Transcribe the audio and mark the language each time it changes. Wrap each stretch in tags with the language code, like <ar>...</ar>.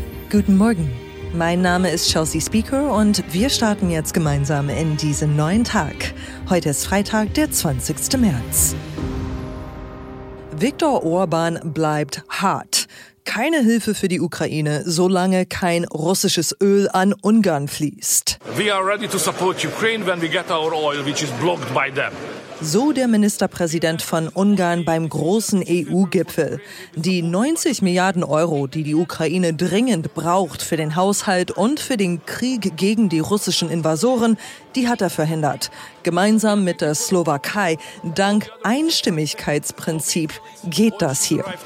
<de>Guten Morgen, mein Name ist Chelsea Speaker und wir starten jetzt gemeinsam in diesen neuen Tag. Heute ist Freitag, der 20. März. Viktor Orbán bleibt hart. Keine Hilfe für die Ukraine, solange kein russisches Öl an Ungarn fließt.</de> <en>We are ready to support Ukraine when we get our oil, which is blocked by them.</en> <de>So der Ministerpräsident von Ungarn beim großen EU-Gipfel. Die 90 Milliarden Euro, die die Ukraine dringend braucht für den Haushalt und für den Krieg gegen die russischen Invasoren, die hat er verhindert. Gemeinsam mit der Slowakei, dank Einstimmigkeitsprinzip, geht das hier.</de>